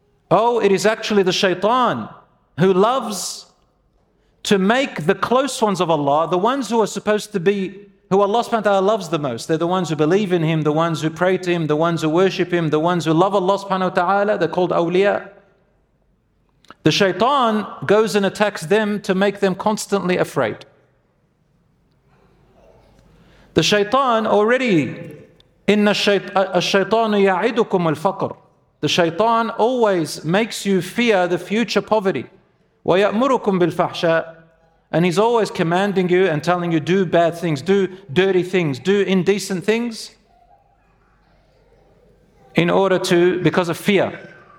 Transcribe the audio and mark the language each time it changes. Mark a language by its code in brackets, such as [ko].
[en] Oh, it is actually the shaitan who loves to make the close ones of Allah, the ones who are supposed to be, who Allah subhanahu wa ta'ala loves the most. They're the ones who believe in Him, the ones who pray to Him, the ones who worship Him, the ones who love Allah subhanahu wa ta'ala, they're called awliya. The shaitan goes and attacks them to make them constantly afraid. The shaitan already, [ar] إِنَّ الشَّيْطَانُ يَعِدُكُمُ الْفَقْرِ. [en] The shaitan always makes you fear the future poverty. [ar] وَيَأْمُرُكُمْ بِالْفَحْشَاءِ. [en] And he's always commanding you and telling you, do bad things, do dirty things, do indecent things, in order to, because of fear.